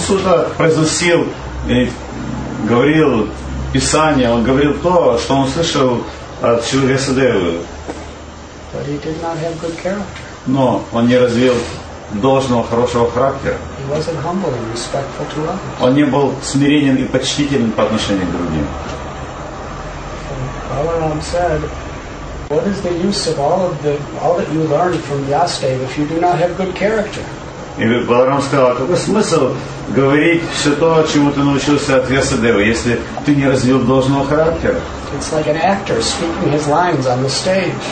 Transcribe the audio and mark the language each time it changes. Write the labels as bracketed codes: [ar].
[ru] Сута произносил и говорил Писание, он говорил то, что он слышал от Шри Вьясадевы. [en] But he did not have good character. [ru] Но он не развил должного хорошего характера. [en] He wasn't humble and respectful to others. [ru] Он не был смиренен и почтителен по отношению к другим. [en] Balaram said, "What is the use of all that you learned from Vyasadev if you do not have good character?" [ru] И Баларам сказал, какой смысл говорить все то, чему ты научился от Вьясадева, если ты не развил должного характера? [en] It's like an actor speaking his lines on the stage.